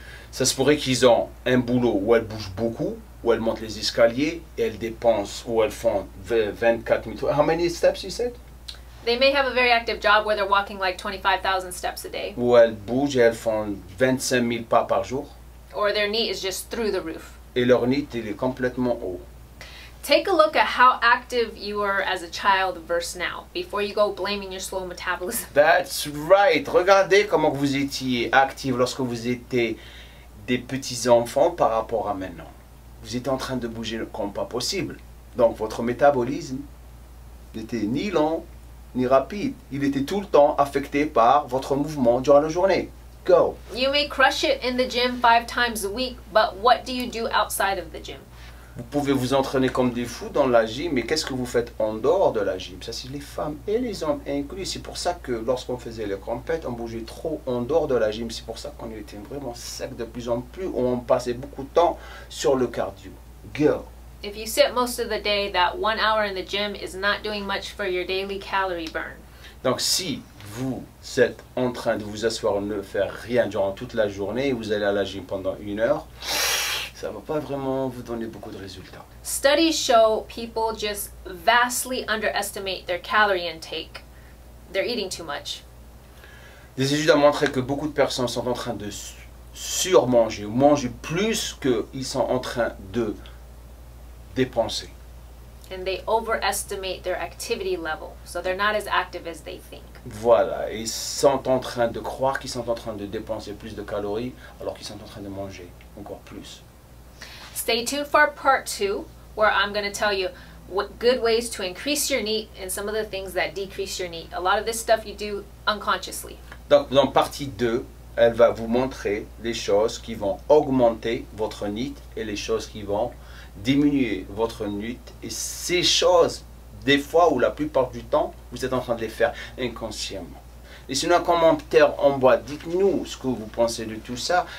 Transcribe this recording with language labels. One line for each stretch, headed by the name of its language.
French: Ça se pourrait qu'ils ont un boulot où elles bougent beaucoup, où elles montent les escaliers et elles dépensent, où elles font 24,000.
English: How many steps you said? They may have a very active job where they're walking like 25,000 steps a day.
French: Où elles bougent et elles font 25,000 pas par jour.
English: Or their NEAT is just through the roof.
French: Et leur NEAT, il est complètement haut.
English: Take a look at how active you were as a child versus now, before you go blaming your slow metabolism. That's right.
French: Regardez comment vous étiez active lorsque vous étiez des petits enfants par rapport à maintenant. Vous étiez en train de bouger comme pas possible. Donc votre métabolisme n'était ni lent, ni rapide. Il était tout le temps affecté par votre mouvement durant la journée.
English: Go. You may crush it in the gym 5 times a week, but what do you do outside of the gym?
French: Vous pouvez vous entraîner comme des fous dans la gym, mais qu'est-ce que vous faites en dehors de la gym? Ça, c'est les femmes et les hommes inclus. C'est pour ça que lorsqu'on faisait les compètes, on bougeait trop en dehors de la gym. C'est pour ça qu'on était vraiment sec de plus en plus. On passait beaucoup de temps sur le cardio.
English: Go. If you sit most of the day, that 1 hour in the gym is not doing much for your daily calorie burn.
French: Donc si vous êtes en train de vous asseoir et ne faire rien durant toute la journée, et vous allez à la gym pendant 1 heure, ça ne va pas vraiment vous donner beaucoup de résultats.
English: Studies show people just vastly underestimate their calorie intake. They're eating too much.
French: Des études ont montré que beaucoup de personnes sont en train de surmanger, ou manger plus qu'ils sont en train de dépenser.
English: And they overestimate their activity level, so they're not as active as they think.
French: Voilà, ils sont en train de croire qu'ils sont en train de dépenser plus de calories, alors qu'ils sont en train de manger encore plus.
English: Stay tuned for part 2, where I'm going to tell you what good ways to increase your NEAT and some of the things that decrease your NEAT. A lot of this stuff you do unconsciously.
French: Donc, dans partie 2, elle va vous montrer les choses qui vont augmenter votre NIT et les choses qui vont diminuer votre NIT. Et ces choses, des fois ou la plupart du temps, vous êtes en train de les faire inconsciemment. Laissez-nous un commentaire en bas, dites-nous ce que vous pensez de tout ça.